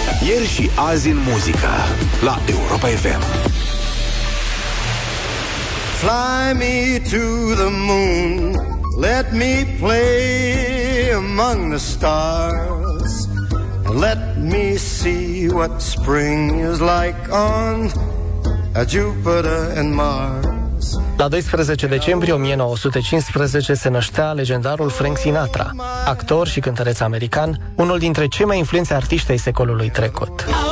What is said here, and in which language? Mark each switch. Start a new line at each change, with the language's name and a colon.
Romanian: Ieri și azi în muzică la Europa FM.
English: Fly me to the moon, let me play among the stars. Let me see what spring is like on Jupiter and Mars.
Romanian: La 12 decembrie 1915 se năștea legendarul Frank Sinatra, actor și cântăreț american, unul dintre cei mai influenți artiști ai secolului trecut.